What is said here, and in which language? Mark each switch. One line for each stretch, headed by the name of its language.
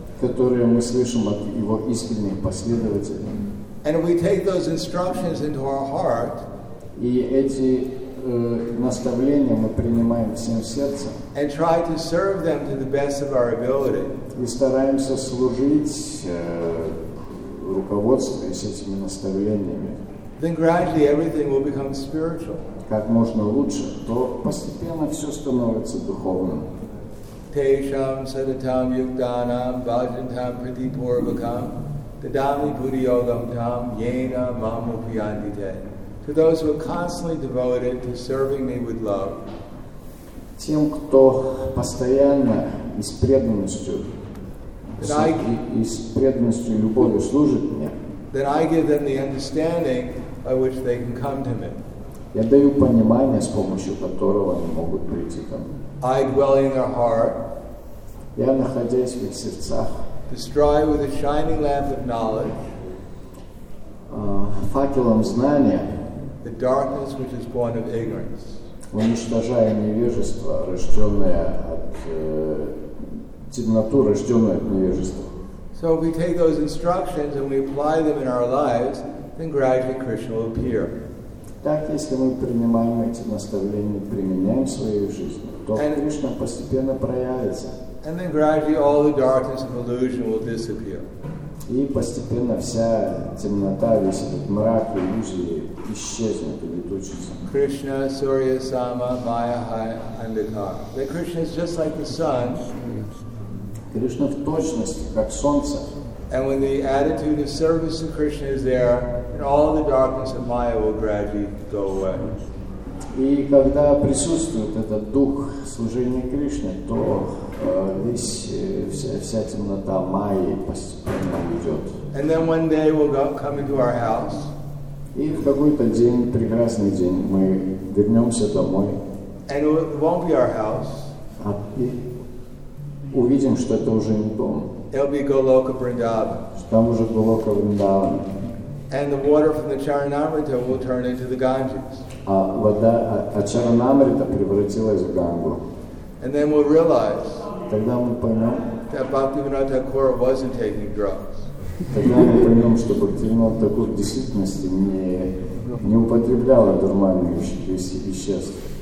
Russian: которые мы слышим от его искренних последователей.
English: And we take those instructions into our heart,
Russian: и эти наставления мы принимаем всем сердцем,
English: and try to serve them to the best of our ability,
Russian: и стараемся служить руководствуясь этими наставлениями,
English: then gradually everything will become spiritual.
Russian: Как можно лучше, то постепенно все становится духовным.
Sanskrit: Tesham Sadatam Yukdanam Bhajantam Pratipurvakam Dadami Puriyogam Tam Yena Mamupyandite.
English: To those who are constantly devoted to serving me with love.
Russian: Тем, кто постоянно и с преданностью, и с преданностью и любовью служит мне.
English: Then I give them the understanding by which they can come to me.
Russian: Я даю понимание, с помощью которого они могут прийти ко мне.
English: I dwell in their heart.
Russian: Я находясь в их сердцах.
English: Destroy with a shining lamp of knowledge.
Russian: Факелом знания.
English: The darkness which is born of ignorance.
Russian: Уничтожая невежество, рожденное от темноту, рожденное от невежества.
English: So if we take those instructions and we apply them in our lives, then gradually Krishna will appear.
Russian: Так, если мы принимаем эти наставления, применяем в своей жизни, то Кришна постепенно проявится.
English: And then gradually all the darkness and illusion will disappear.
Russian: И постепенно вся темнота, весь этот мрак, иллюзии исчезнет, улетучится.
Bangla: Krishna, Surya, Sama, Maya, Haya, Andhakar.
English: That Krishna is just like the sun.
Russian: Кришна в точности, как солнце.
English: And when the attitude of service to Krishna is there, then all the darkness of Maya will gradually go away.
Russian: И когда присутствует этот дух служения Кришне, то вся темнота Майи постепенно уйдет.
English: And then one day we'll come into our house.
Russian: И в какой-то день, прекрасный день, мы вернемся домой.
English: And it won't be our house.
Russian: А и увидим, что это уже не дом.
English: It'll be Goloka Vrindavan.
Russian: Там уже Голока Вриндаван.
English: And the water from the Charanamrita will turn into the Ganges.
Russian: А вода от Чаранамрита превратилась в Гангу.
English: And then we'll realize,
Russian: тогда мы поймем,
English: that Bhaktivinoda Thakura wasn't taking drugs.
Russian: Тогда мы поймем, что Бхактивинода Такура в действительности не употребляла дурманные веществ.